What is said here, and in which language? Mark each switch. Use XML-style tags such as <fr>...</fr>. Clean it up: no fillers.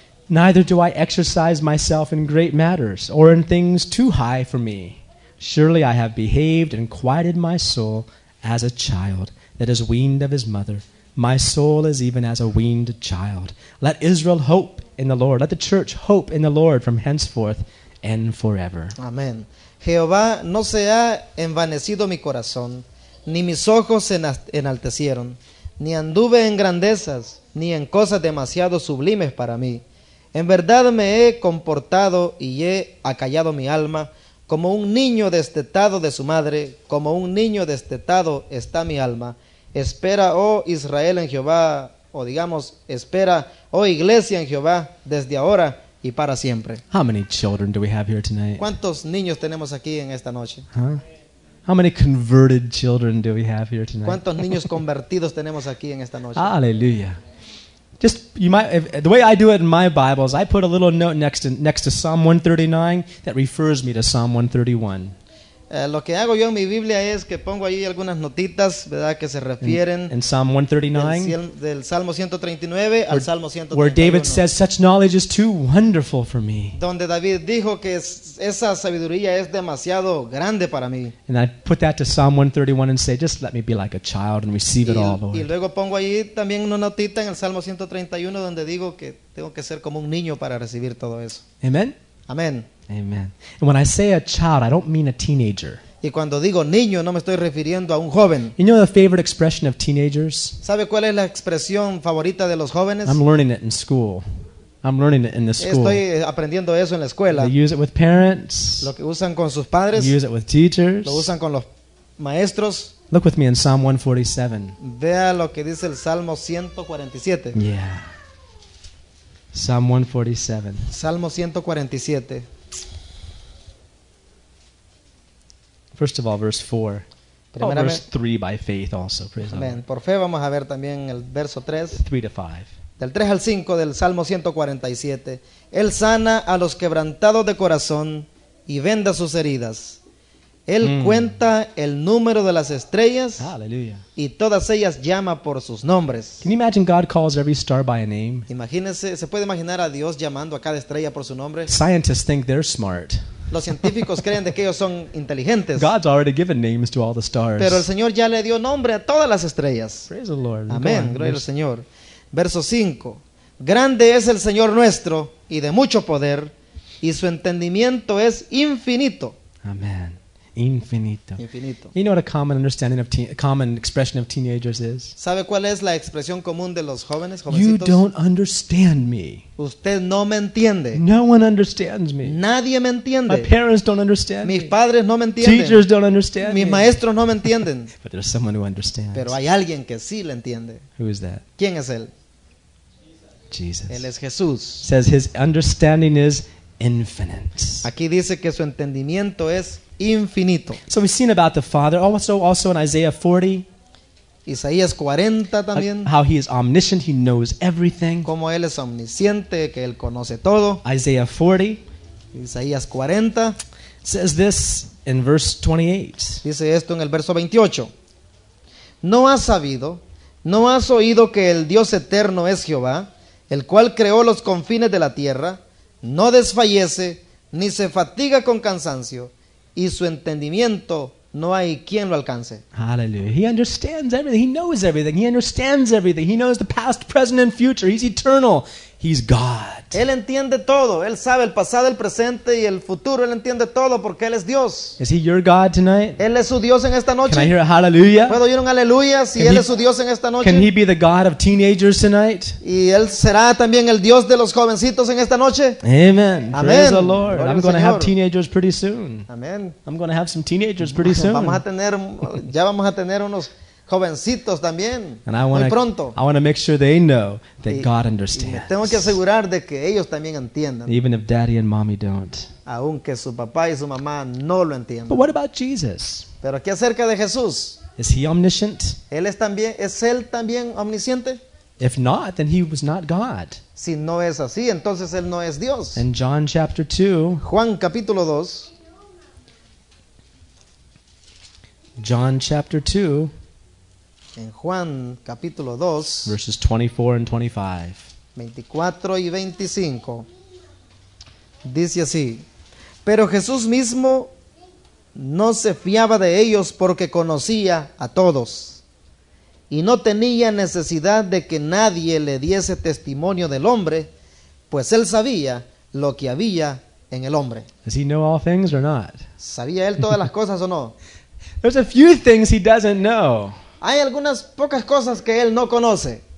<en>Neither do I exercise myself in great matters or in things too high for me. Surely I have behaved and quieted my soul as a child that is weaned of his mother. My soul is even as a weaned child. Let Israel hope in the Lord. Let the church hope in the Lord from henceforth and forever.</en> <es>Amén. Jehová, no se ha envanecido mi corazón, ni mis ojos se enaltecieron, ni anduve en grandezas, ni en cosas demasiado sublimes para mí. En verdad me he comportado y he acallado mi alma, como un niño destetado de su madre, como un niño destetado está mi alma. Espera, oh Israel, en Jehová, o digamos, espera, oh iglesia, en Jehová, desde ahora y para siempre.</es> <en>How many children do we have here tonight?</en> <es>¿Cuántos niños tenemos aquí en esta noche?</es> <en>How many converted children do we have here tonight?</en> <es>¿Cuántos niños convertidos tenemos aquí en esta noche?</es> <en>Aleluya. Just you might. The way I do it in my Bible is I put a little note next to Psalm 139 that refers me to Psalm 131.</en> <es>Lo que hago yo en mi Biblia es que pongo ahí algunas notitas, verdad, que se refieren.</es> <en>In Psalm 139.</en> <es>Del Salmo 139 al Salmo 131.</es> <en>Where David says such knowledge is too wonderful for me.</en> <es>Donde David dijo que esa sabiduría es demasiado grande para mí.</es> <en>And I put that to Psalm 131 and say, just let me be like a child and receive it all, Lord.</en> <es>Y luego pongo ahí también una notita en el Salmo 131 donde digo que tengo que ser como un niño para recibir todo eso.</es> <en>Amen. Amen. Amen. And when I say a child, I don't mean a teenager.</en> <es>Y cuando digo niño, no me estoy refiriendo a un joven.</es> <en>You know the favorite expression of teenagers?</en> <es>¿Sabe cuál es la expresión favorita de los jóvenes?</es> <en>I'm learning it in school. I'm learning it in the school.</en> <es>Estoy aprendiendo eso en la escuela.</es> <en>They use it with parents.</en> <es>Lo que usan con sus padres.</es> <en>They use it with teachers.</en> <es>Lo usan con los maestros.</es> <en>Look with me in Psalm 147.</en> <es>Vea lo que dice el Salmo 147.</es> <en>Yeah. Psalm 147.</en> <es>Salmo 147.</es> <en>First of all, verse 4. Verse 3 by faith also. Praise amen.</en> <es>Por fe vamos a ver también el verso 3.</es> <en>3 to 5.</en> <es>Del 3 al 5 del Salmo 147. Él sana a los quebrantados de corazón y venda sus heridas. Él cuenta el número de las estrellas.</es> <en>Hallelujah.</en> <es>Y todas ellas llama por sus nombres.</es> <en>Can you imagine God calls every star by a name?</en> <es>Imagínese, ¿se puede imaginar a Dios llamando a cada estrella por su nombre?</es> <en>Scientists think they're smart.</en> <es>Los científicos creen de que ellos son inteligentes.</es> <en>God's already given names to all the stars.</en> <es>Pero el Señor ya le dio nombre a todas las estrellas.</es> <en>Praise the Lord.</en> <es>Amén. Gloria al Señor. Verso 5. Grande es el Señor nuestro y de mucho poder, y su entendimiento es infinito. Amén. Infinito. Infinito.</es> <en>You know what a common understanding of common expression of teenagers is?</en> <es>¿Sabe cuál es la expresión común de los jóvenes, jovencitos?</es> <en>You don't understand me.</en> <es>Usted no me entiende.</es> <en>No one understands me.</en> <es>Nadie me entiende.</es> <en>My parents don't understand.</en> <es>Mis padres no me entienden.</es> <en>Teachers don't understand.</en> <es>Mis maestros no me entienden.</es> <en>But there's someone who understands.</en> <es>Pero hay alguien que sí le entiende.</es> <en>Who is that?</en> <es>¿Quién es él?</es> <en>Jesus.</en> <es>Él es Jesús.</es> <en>Says his understanding is infinite.</en> <es>Aquí dice que su entendimiento es infinito.</es> <en>So we've seen about the Father, also in Isaiah 40.</en> <es>Isaías 40 también.</es> <en>How he is omniscient, he knows everything.</en> <es>Como él es omnisciente, que él conoce todo.</es> <en>Isaiah 40.</en> <es>Isaías 40.</es> <en>Says this in verse 28.</en> <es>Dice esto en el verso 28. No has sabido, no has oído que el Dios eterno es Jehová, el cual creó los confines de la tierra, no desfallece, ni se fatiga con cansancio, y su entendimiento no hay quien lo alcance.</es> <en>Hallelujah. He understands everything. He knows everything. He understands everything. He knows the past, present, and future. He's eternal. He's God.</en> <es>Él entiende todo. Él sabe el pasado, el presente y el futuro. Él entiende todo porque él es Dios.</es> <en>Is he your God tonight?</en> <es>Él es su Dios en esta noche.</es> <en>Can I hear a hallelujah?</en> <es>¿Puedo oír un aleluya si él es su Dios en esta noche?</es> <en>Can he be the God of teenagers tonight?</en> <es>¿Y él será también el Dios de los jovencitos en esta noche?</es> <en>Amen. Amen. Praise the Lord. I'm going to have teenagers pretty soon. Amen. I'm going to have some teenagers pretty soon.</en> <es>Ya vamos a tener unos jovencitos también.</es> <en>And I want to make sure they know that God understands.</en> <es>Tengo que asegurar de que ellos también entiendan.</es> <en>Even if daddy and mommy don't.</en> <es>Aunque su papá y su mamá no lo entiendan.</es> <en>But what about Jesus?</en> <es>¿Pero qué acerca de Jesús?</es> <en>Is he omniscient?</en> <es>¿Es él también omnisciente?</es> <en>If not, then he was not God.</en> <es>Si no es así, entonces él no es Dios.</es> <en>In John chapter 2.</en> <es>Juan capítulo 2.</es> <en>John chapter 2.</en> <es>En Juan capítulo 2,</es> <en>verses 24 and 25.</en> <es>24 y 25. Dice así: Pero Jesús mismo no se fiaba de ellos porque conocía a todos, y no tenía necesidad de que nadie le diese testimonio del hombre, pues él sabía lo que había en el hombre.</es> <en>Does he know all things or not?</en> <es>¿Sabía él todas las cosas o no?</es> <en>There's a few things he doesn't know.</en> <es>Hay algunas pocas cosas que él no conoce.</es>